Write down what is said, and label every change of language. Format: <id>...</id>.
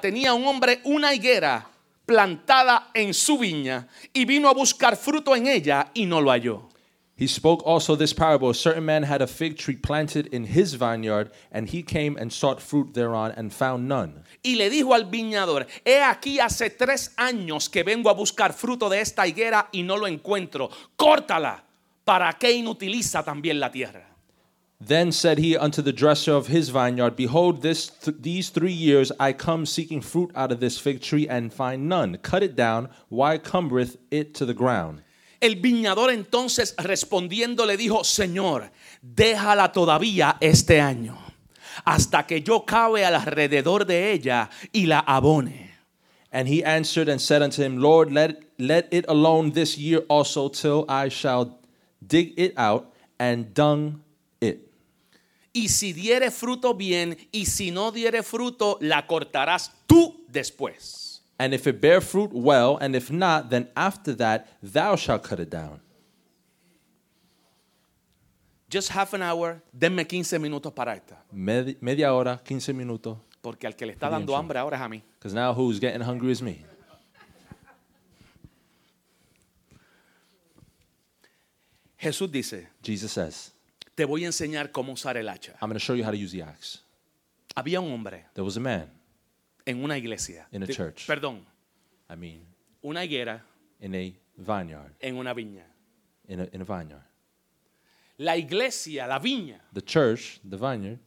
<es>Tenía un hombre una higuera plantada en su viña. Y vino a buscar fruto en ella y no lo halló.</es> <en>He spoke also this parable. A certain man had a fig tree planted in his vineyard, and he came and sought fruit thereon and found none.</en> <es>Y le dijo al viñador, he aquí hace 3 años que vengo a buscar fruto de esta higuera y no lo encuentro. Córtala, para que inutiliza también la tierra.</es> <en>Then said he unto the dresser of his vineyard, behold, these 3 years I come seeking fruit out of this fig tree and find none. Cut it down, why cumbereth it to the ground?</en> <es>El viñador entonces respondiendo le dijo, Señor, déjala todavía este año, hasta que yo cave alrededor de ella y la abone.</es> <en>And he answered and said unto him, Lord, let it alone this year also till I shall dig it out and dung it.</en> <es>Y si diere fruto bien, y si no diere fruto, la cortarás tú después.</es> <en>And if it bear fruit, well, and if not, then after that, thou shalt cut it down. Just half an hour,</en> <es>denme 15 minutos para esta. Media hora, 15 minutos. Porque al que le está dando hambre ahora es a mí.</es> <en>Because now who's getting hungry is me.</en> <es>Jesús dice,</es> <en>Jesus says,</en> <es>te voy a enseñar cómo usar el hacha.</es> <en>I'm going to show you how to use the axe.</en> <es>Había un hombre.</es> <en>There was a man.</en> <es>En una iglesia.</es> <en>In a church.</en> <es>Perdón.</es> <en>I mean.</en> <es>Una higuera.</es> <en>In a vineyard.</en> <es>En una viña.</es> <en>In a vineyard.</en> <es>La iglesia, la viña.</es> <en>The church, the vineyard.</en>